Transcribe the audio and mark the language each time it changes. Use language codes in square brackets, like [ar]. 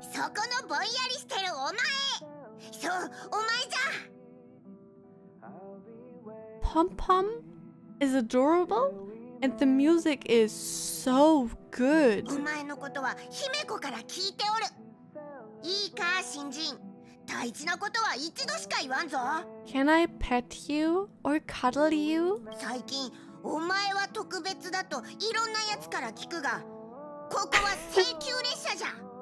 [ja] そこのぼんやりしてるお前、そう、お前じゃ。 [en] Pom Pom is adorable and the music is so good. [ja] お前のことは姫子から聞いておる。いいか、新人。大事なことは一度しか言わんぞ。 [en] Can I pet you or cuddle you? [ja] 最近お前は特別だといろんなやつから聞くが、ここは請求列車じゃ。